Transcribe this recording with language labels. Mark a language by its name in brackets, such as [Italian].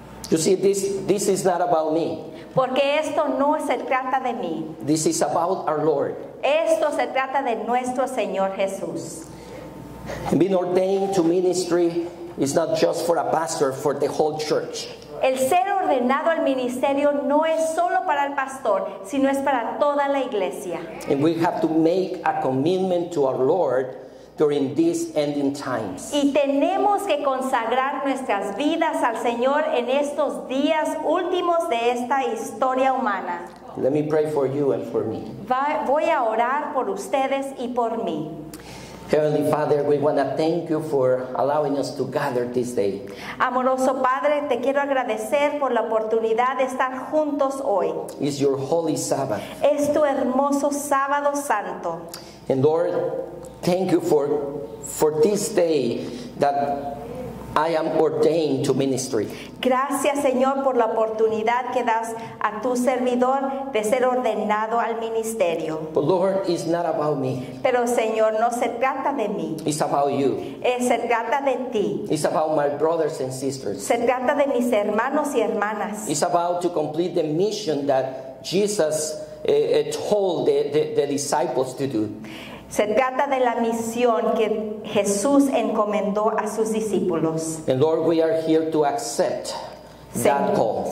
[English] You see, this is not about me. [Spanish] Porque esto no se trata de mí. [English] This is about our Lord. [Spanish] Esto se trata de nuestro Señor Jesús. [English] And being ordained to ministry is not just for a pastor, for the whole church. [Spanish] El ser ordenado al ministerio no es solo para el pastor, sino es para toda la iglesia. [English] And we have to make a commitment to our Lord during these ending times. [Spanish] Y tenemos que consagrar nuestras vidas al Señor en estos días últimos de esta historia humana. [English] Let me pray for you and for me. [Spanish] Voy a orar por ustedes y por mí. [English] Heavenly Father, we want to thank you for allowing us to gather this day. [Spanish] Amoroso Padre, te quiero agradecer por la oportunidad de estar juntos hoy. [English] It's your holy Sabbath. [Spanish] Es tu hermoso sábado santo. [English] And Lord, thank you for this day that I am ordained to ministry. [Spanish] Gracias, Señor, por la oportunidad que das a tu servidor de ser ordenado al ministerio. [English] But Lord, it's not about me. [Spanish] Pero, Señor, no se trata de mí. [English] It's about you. [Spanish] Se trata de ti. [English] It's about my brothers and sisters. [Spanish] Se trata de mis hermanos y hermanas. [English] It's about to complete the mission that Jesus told the disciples to do. [Spanish] Se trata de la misión que Jesús encomendó a sus discípulos. [English] And Lord, we are here to accept that call.